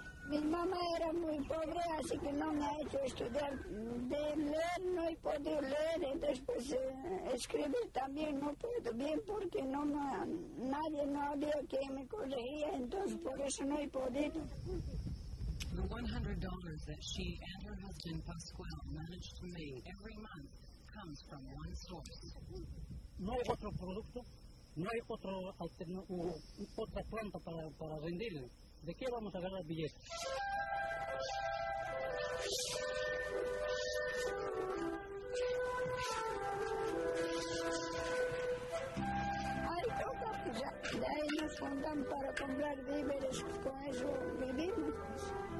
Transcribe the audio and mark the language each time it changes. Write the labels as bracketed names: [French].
[Spanish] Mi mamá era muy pobre, así que no me ha hecho estudiar. De leer no he podido leer, entonces pues, escribir también no puedo bien porque no me, nadie no había quien me corregía, entonces por eso no he podido. [English] The $100 that she and her husband Pascual managed to make every month comes from one source. [Spanish] No hay otro producto, no hay otro otra planta para venderle. ¿De qué vamos a ganar billetes? Hay coca, pues ya, de ahí nos juntan para comprar víveres, con eso vivimos.